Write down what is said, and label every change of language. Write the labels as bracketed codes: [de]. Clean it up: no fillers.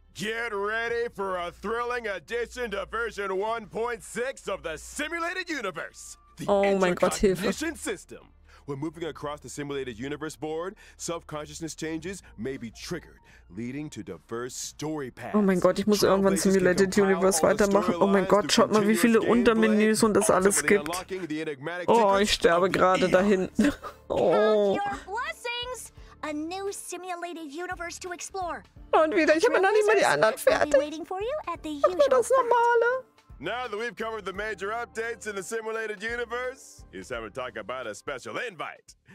[en] Get ready for a thrilling addition to version 1.6 of the simulated universe. [de] Oh mein Gott, Hilfe. [en] System. When moving across the simulated universe board, self-consciousness changes may be triggered, leading to diverse story paths. [de] Oh mein Gott, ich muss irgendwann Simulated Universe weitermachen. Oh mein Gott, schaut mal, wie viele Untermenüs und das alles gibt. Oh, ich sterbe gerade da hinten. Oh. [en] A new simulated universe to explore. [de] Und wieder, ich habe noch nicht mal die anderen fertig. Mach mal das normale. [en] Now that we've covered the major updates in the simulated universe, it's time to talk about a special invite.